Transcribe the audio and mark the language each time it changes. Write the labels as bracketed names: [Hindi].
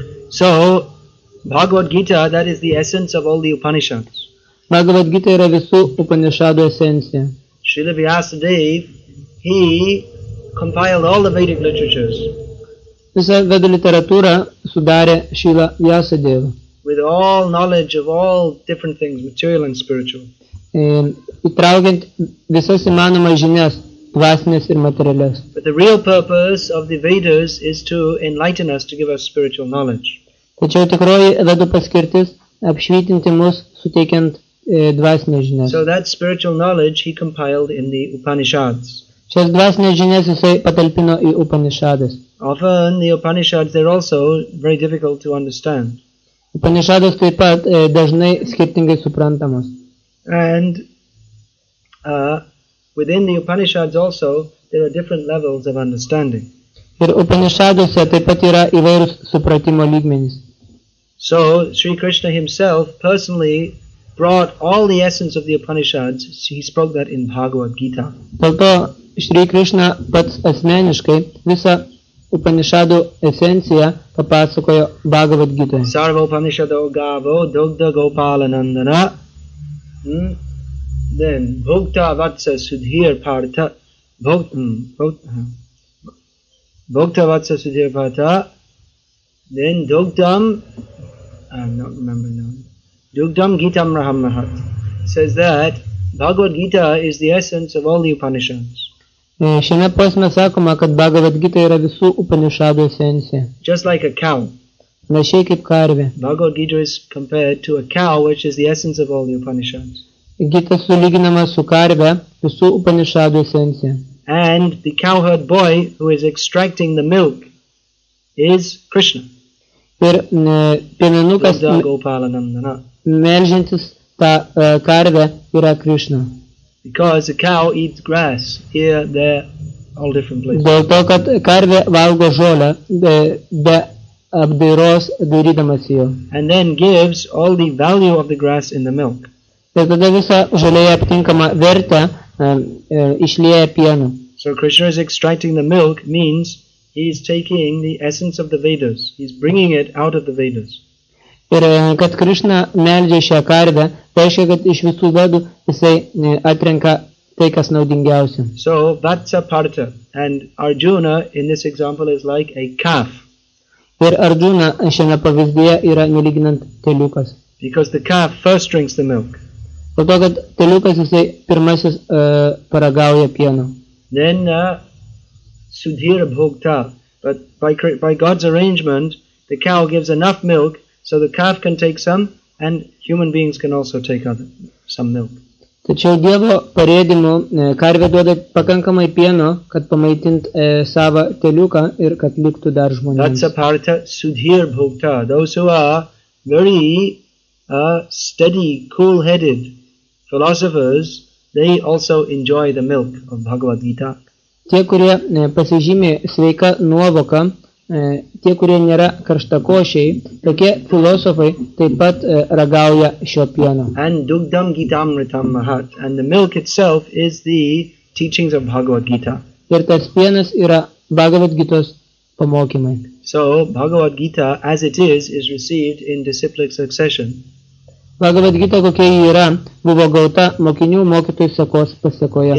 [English] So, Bhagavad Gita, that is the essence of all the Upanishads. [Lithuanian] Bhagavad Gita yra visų Upanishadų esencija. [English] Srila Vyasadeva, he compiled all the Vedic literatures. [Lithuanian] Visa Vedų literatūra sudarė Srila Vyasadeva. [English] With all knowledge of all different things, material and spiritual. [Lithuanian] Įtraukiant visas įmanomas žinias, dvasinės ir materialias. [English] But the real purpose of the Vedas is to enlighten us, to give us spiritual knowledge. [Lithuanian] Tačiau tikroji Vedų paskirtis apšvytinti mus, suteikiant dvasinės žinias. [English] So that spiritual knowledge he compiled in the Upanishads. [Lithuanian] Šias dvasinės žinias jisai patalpino į Upanishadas. [English] Often the Upanishads, they're also very difficult to understand. [Lithuanian] Upanishadas taip pat dažnai skirtingai suprantamos. [English] And within the Upanishads also, there are different levels of understanding. [Lithuanian] Ir Upanishaduose taip pat yra įvairūs supratimo lygmenys. [English] So, Sri Krishna himself personally brought all the essence of the Upanishads, he spoke that in Bhagavad Gita. [Lithuanian] Dėl to, Sri Krishna pats asmeniškai visą Upanishadų esenciją papasakojo Bhagavad Gita. [Sanskrit] Sarva Upanishado gavo dugda gopala nandana. Then bhukta vatsa sudhir partha bhukta vatsa sudhir partha, then dugdam, [English] I'm not remembering now, [Sanskrit] Dugdham Gitam Rahamahat [English] says that Bhagavad Gita is the essence of all the Upanishads. [Lithuanian] Šiame posme sakoma, kad Bhagavad Gita yra visų Upanishadų esencija. [English] Just like a cow. [Lithuanian] Našiai kaip karvė. [English] Bhagavad Gita is compared to a cow, which is the essence of all the Upanishads. [Lithuanian] Gita sulyginama su karve, visų Upanishadų esencija. [English] And the cowherd boy who is extracting the milk is Krishna. [Lithuanian] Ir pienanukas melžiantis tą karvę yra Krishna. [English] Because a cow eats grass here, there, all different places. [Lithuanian] Dėl to, kad karvė valgo žolę be apdairos darydamasi jo. [English] And then gives all the value of the grass in the milk. [Lithuanian] Ir tada visą žolėje aptinkamą vertę išlieja pienu. [English] So Krishna is extracting the milk means he is taking the essence of the Vedas. He is bringing it out of the Vedas. [Lithuanian] Ir kad Krishna meldžia šią karvę, reiškia, kad iš visų vedų jisai atrenka tai, kas naudingiausia. [Sanskrit] So, Vatsa Parta. [English] And Arjuna, in this example, is like a calf. [Lithuanian] Ir Arjuna šiame pavyzdyje yra nelyginant teliukas. [English] Because the calf first drinks the milk. [Lithuanian] Dėl to, kad teliukas jisai pirmasis paragauja pieno. [Sanskrit] Then, Sudhira Bhogta. [English] But by God's arrangement, the cow gives enough milk so the calf can take some, and human beings can also take other, some milk. [Lithuanian] Tačiau Dievo parėdimu, karvė duoda pakankamai pieno, kad pamaitint savo teliuką ir kad liktų dar žmonėms. [English] That's a part of Sudhir Bhukta. Those who are very steady, cool-headed philosophers, they also enjoy the milk of Bhagavad Gita. [Lithuanian] Tie, kurie pasižymė sveika nuovoka, tie, kurie nėra karštakošiai, tokie filosofai taip pat ragauja šio pieno. [Sanskrit] And dugdham gitam ritam mahat. [English] And the milk itself is the teachings of Bhagavad Gita. [Lithuanian] Ir tas pienas yra Bhagavad Gitos pamokymai. [English] So, Bhagavad Gita, as it is received in disciplic succession. [Lithuanian] Bhagavad Gita, kokia jį yra, buvo gauta mokinių mokytojų sekos pasekoje.